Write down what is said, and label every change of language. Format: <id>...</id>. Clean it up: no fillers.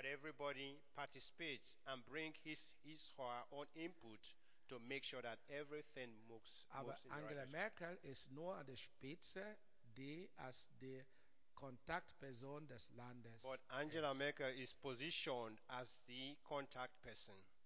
<en>But everybody participates and brings his or her own input to make sure that everything moves in Angela the right.</en> <de>Angela Merkel ist nur an der Spitze, die als die Kontaktperson des Landes.</de> <en>But Angela Merkel is positioned as the contact person.</en>